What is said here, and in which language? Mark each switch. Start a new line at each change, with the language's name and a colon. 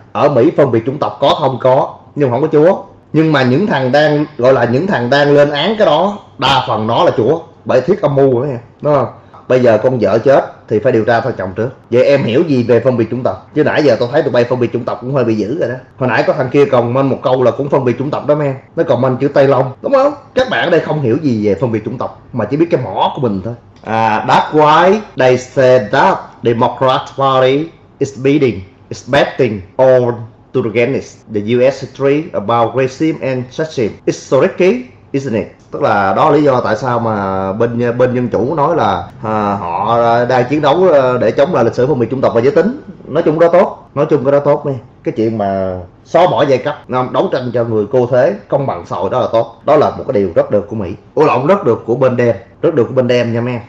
Vietnamese: Ở Mỹ phân biệt chủng tộc có không có, nhưng không có chúa. Nhưng mà những thằng đang gọi là những thằng đang lên án cái đó đa phần nó là chủ bởi thuyết âm mưu đó nha, đúng không? Bây giờ con vợ chết thì phải điều tra thân chồng trước. Vậy em hiểu gì về phân biệt chủng tộc? Chứ nãy giờ tôi thấy tụi bay phân biệt chủng tộc cũng hơi bị dữ rồi đó. Hồi nãy có thằng kia comment một câu là cũng phân biệt chủng tộc đó men, nó comment chữ Tây Long, đúng không? Các bạn ở đây không hiểu gì về phân biệt chủng tộc mà chỉ biết cái mỏ của mình thôi.
English: That's why they say that Democrat Party is bidding, is betting on to against the US history about racism and sexism. It's so tricky, isn't it?
Vietnamese: Tức là đó là lý do tại sao mà bên bên dân chủ nói là họ đang chiến đấu để chống lại lịch sử phân biệt chủng tộc và giới tính. Nói chung đó tốt, nói chung cái đó tốt đi. Cái chuyện mà xóa bỏ giai cấp, đấu tranh cho người cô thế, công bằng xã hội đó là tốt. Đó là một cái điều rất được của Mỹ. Ủa lộn, rất được của bên đen, rất được của bên đen nha mẹ.